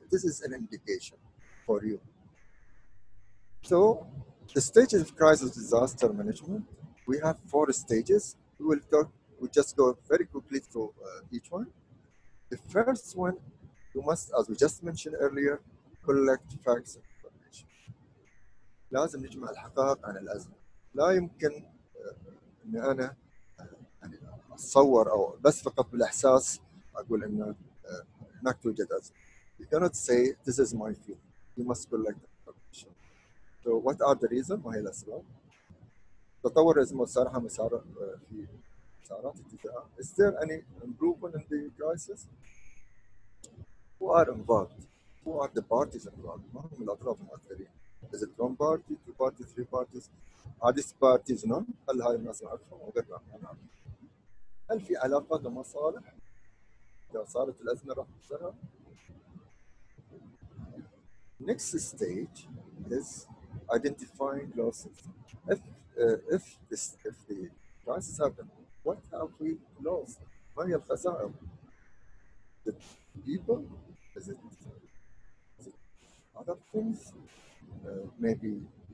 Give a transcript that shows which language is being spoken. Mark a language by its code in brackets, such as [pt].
[en] This is an indication for you. So the stages of crisis disaster management, we have four stages. We will talk, we'll just go very quickly through each one. The first one, you must, as we just mentioned earlier, collect facts and information. [ar] لازم نجمع الحقائق عن الأزمة. لا يمكن أن أنا أتصور أو بس فقط بالإحساس أقول أن هناك توجد أزمة. [en] You cannot say this is my feeling. You must collect information. So what are the reasons? [ar] ما هي الأسباب؟ تطور الأزمة صارها مسار في مسارات اتجاه. [en] Is there any improvement in the crisis? Who are involved? Who are the parties involved? [ar] ما هم الأطراف المؤثرين؟ [en] Is it one party, two parties, three parties? Are these parties known? [ar] هل هاي الناس معرفهم وغير معرفهم؟ هل في علاقات ومصالح؟ إذا صارت الأزمة راح تصير. [en] Next stage is identifying losses. If the crisis happened, what have we lost? [ar] ما هي الخسائر? [en] The people? Is it other things? Maybe